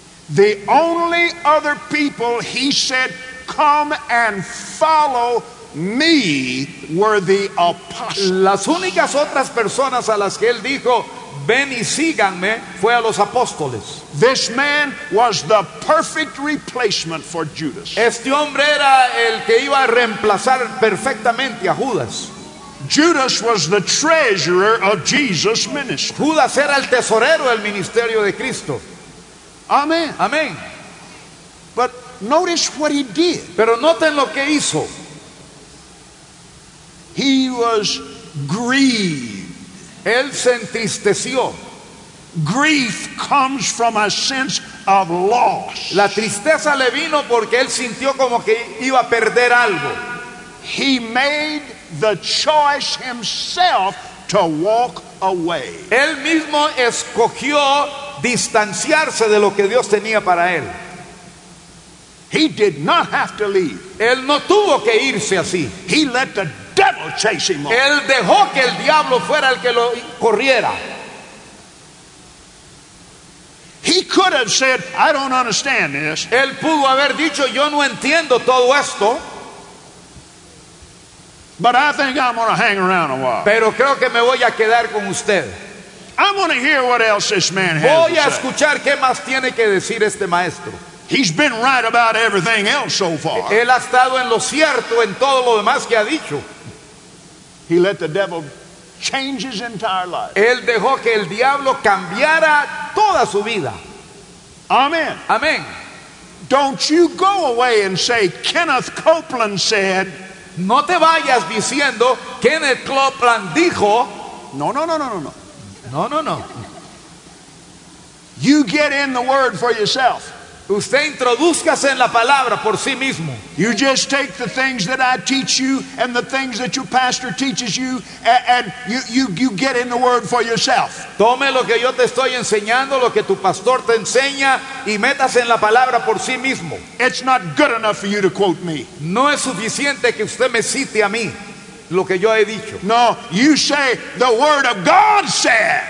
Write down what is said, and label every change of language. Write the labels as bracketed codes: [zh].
[en] The only other people he said, come and follow me, were the apostles. [es] Las únicas otras personas a las que él dijo, ven y síganme, fue a los apóstoles. [en] This man was the perfect replacement for Judas. [es] Este hombre era el que iba a reemplazar perfectamente a Judas. [en] Judas was the treasurer of Jesus' ministry. [es] Judas era el tesorero del ministerio de Cristo. [en] Amen. [es] Amen. [en] But notice what he did. [es] Pero noten lo que hizo. [en] He was grieved. [es] Él se entristeció. [en] Grief comes from a sense of loss. [es] La tristeza le vino porque él sintió como que iba a perder algo. [en] He made the choice himself to walk away. [es] Él mismo escogió distanciarse de lo que Dios tenía para él. [en] He did not have to leave. [es] Él no tuvo que irse así. [en] He let the devil chase him. [es] Él dejó que el diablo fuera el que lo corriera. [en] He could have said, I don't understand this. [es] Él pudo haber dicho, yo no entiendo todo esto. [en] But I think I'm going to hang around a while. [es] Pero creo que me voy a quedar con usted. [en] I'm going to hear what else this man has to say. [es] Voy a escuchar qué más tiene que decir este maestro. [en] He's been right about everything else so far. [es] Él ha estado en lo cierto en todo lo demás que ha dicho. [en] He let the devil change his entire life. [es] Él dejó que el diablo cambiara toda su vida. [en] Amen. [es] Amen. [en] Don't you go away and say, Kenneth Copeland said. [es] No te vayas diciendo, Kenneth Copeland dijo. [en] No, no, no, no, no, no. [es] No, no, no. [en] You get in the word for yourself. [es] Usted introduzcase en la palabra por sí mismo. [en] You just take the things that I teach you and the things that your pastor teaches you and you get in the word for yourself. [es] Tome lo que yo te estoy enseñando, lo que tu pastor te enseña y métase en la palabra por sí mismo. [en] It's not good enough for you to quote me. [es] No es suficiente que usted me cite a mí. Lo que yo he dicho. [en] No, you say the word of God said.